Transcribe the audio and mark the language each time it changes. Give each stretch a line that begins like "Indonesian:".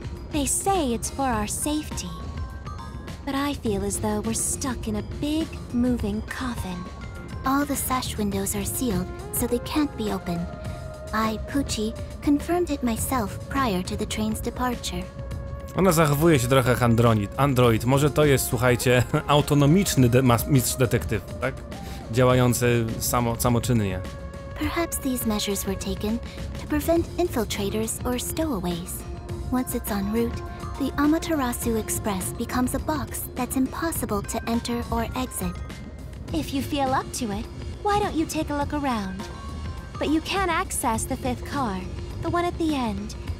English: They say it's for our safety. But I feel as though we're stuck in a big, moving coffin. All the sash windows are sealed, so they can't be open. I, Poochie, confirmed it myself prior to the train's departure.
Polish: Ona zachowuje się trochę jak android, może to jest, słuchajcie, autonomiczny mistrz detektyw, tak? Działający samoczynnie.
English: Perhaps these measures were taken to prevent infiltrators or stowaways. Once it's en route, the Amaterasu Express becomes a box that's impossible to enter or exit. If you feel up to it, why don't you take a look around? But you can access the fifth car, the one at the end.